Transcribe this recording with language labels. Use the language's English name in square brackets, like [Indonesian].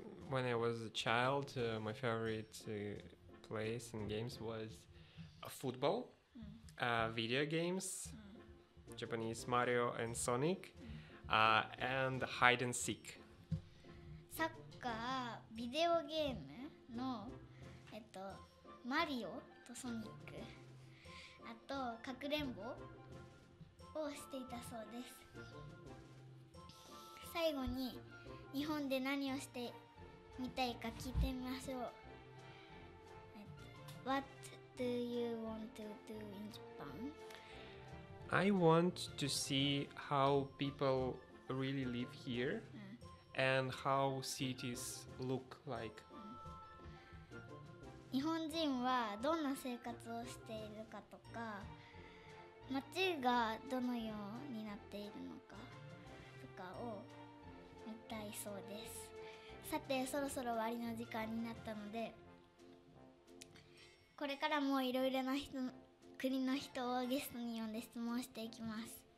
[English] When I was a child, my favorite place and games was football, video games, Japanese Mario and Sonic, and hide and seek. [Japanese] サッカー、ビデオゲームの、マリオとソニック、あとかくれんぼをしていたそうです。最後に日本で何をしてみたいか聞いてみましょう。 [English] What do you want to do in Japan? I want to see how people really live here and how cities look like. [Japanese] 日本人はどんな生活をしているかとか、街がどのようになっているのかとかを見たいそうです。さて、そろそろ終わりの時間になったので、これからもいろいろな人国の人をゲストに呼んで質問していきます。